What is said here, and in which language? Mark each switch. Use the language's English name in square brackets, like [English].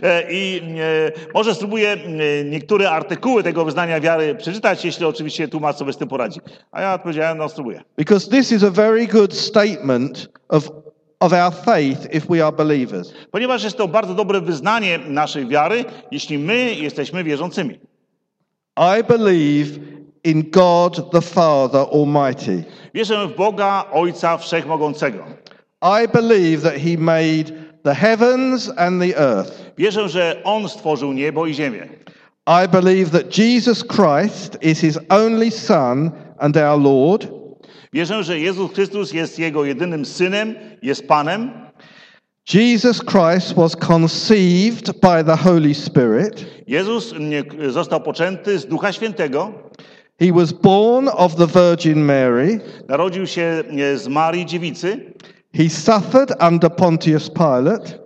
[Polish] I może spróbuję niektóre artykuły tego wyznania wiary przeczytać, jeśli oczywiście tłumacz sobie z tym poradzi. A ja odpowiedziałem, no spróbuję. [English] Because this is a very good statement of our faith if we are believers. [Polish] Ponieważ jest to bardzo dobre wyznanie naszej wiary, jeśli my jesteśmy wierzącymi. [English] I believe in God the Father Almighty. [Polish] Wierzę w Boga Ojca Wszechmogącego. [English] I believe that he made the heavens and the earth. [Polish] Wierzę, że on stworzył niebo i ziemię. [English] I believe that Jesus Christ is his only son and our Lord. [Polish] Wierzę, że Jezus Chrystus jest jego jedynym synem, jest Panem. [English] Jesus Christ was conceived by the Holy Spirit. [Polish] Jezus został poczęty z Ducha Świętego. [English] He was born of the Virgin Mary. [Polish] Narodził się z Marii Dziewicy. [English] He suffered under Pontius Pilate.